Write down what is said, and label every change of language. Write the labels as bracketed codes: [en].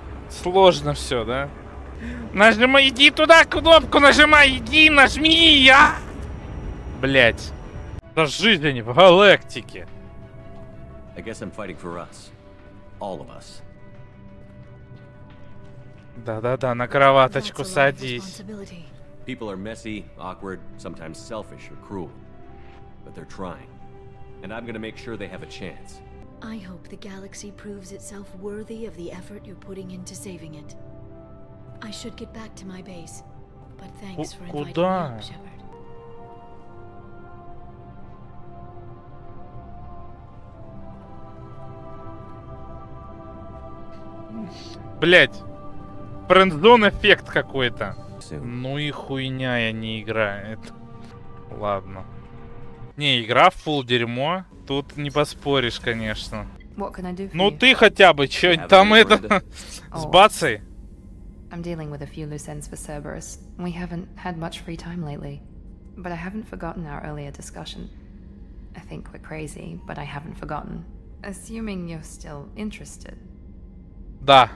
[ru] Сложно все, да? Нажимай, иди туда, кнопку нажимай, иди, нажми, я! Блять. Да жизнь, они в галактике. [en] I guess I'm fighting for us. All of us. [ru] Да-да-да, на кроваточку садись. [en] People are messy, awkward, sometimes selfish or cruel. But they're trying. And I'm gonna make sure they have a chance. I hope the galaxy proves itself worthy of the effort you're putting into saving it. I should get back to my base. But thanks for inviting me, Shepard. [ru] Блять! Френдзон эффект какой-то. Ну и хуйня, я не играю. Это... Ладно. Не, игра в фул дерьмо. Тут не поспоришь, конечно. Ну ты хотя бы, чё там это... С бацей. [en] I'm dealing with a few loose ends for Cerberus. We haven't had much free time lately. But I haven't forgotten our earlier discussion. I think we're crazy, but I haven't forgotten. Assuming you're still interested. [ru] Да.